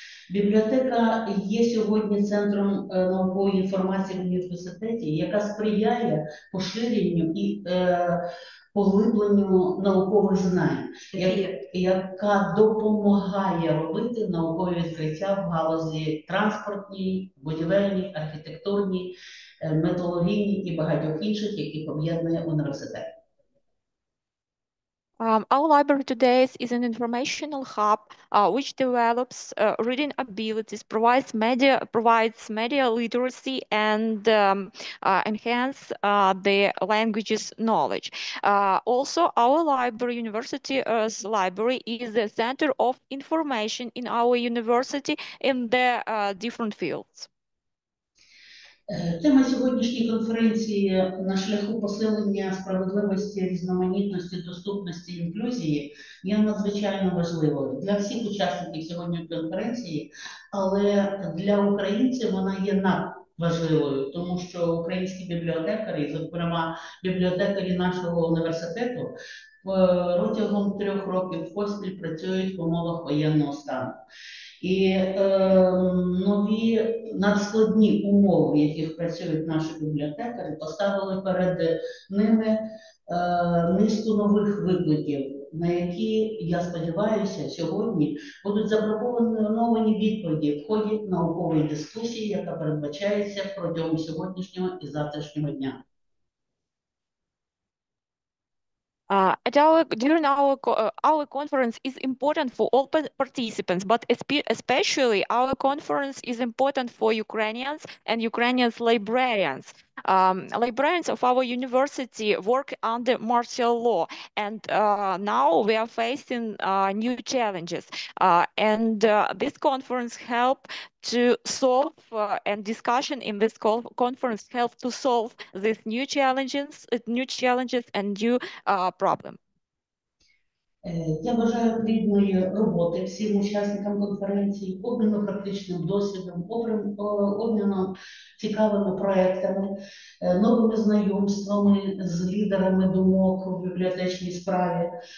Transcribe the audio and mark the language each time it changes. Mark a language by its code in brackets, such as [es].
[uk] Бібліотека є сьогодні центром наукової інформації в університеті, яка сприяє поширенню і поглибленню наукових знань, яка допомагає робити наукові відкриття в галузі транспортній, будівельній, архітектурній, металургійній і багатьох інших, які пов'язані університет. [en] Our library today is an informational hub which develops reading abilities, provides media literacy, and enhance the language's knowledge. Also, our library, university's library, is the center of information in our university in the different fields. [uk] Тема сьогоднішньої конференції «На шляху посилення справедливості, різноманітності, доступності, інклюзії» є надзвичайно важливою для всіх учасників сьогоднішньої конференції, але для українців вона є надважливою, тому що українські бібліотекарі, зокрема бібліотекарі нашого університету, протягом 3 років поспіль працюють в умовах воєнного стану. І нові надскладні умови, в яких працюють наші бібліотекарі, поставили перед ними низку нових викликів, на які, я сподіваюся, сьогодні будуть запропоновані відповіді в ході наукової дискусії, яка передбачається протягом сьогоднішнього і завтрашнього дня. [en] During our conference is important for all participants, but especially our conference is important for Ukrainians and Ukrainians librarians. Librarians of our university work under martial law, and now we are facing new challenges. And this conference helped to solve, and discussion in this conference helped to solve these new challenges and new problems. [uk] Я бажаю плідної роботи всім учасникам конференції, обміну практичним досвідом, обміну цікавими проектами, новими знайомствами з лідерами думок у бібліотечній справі.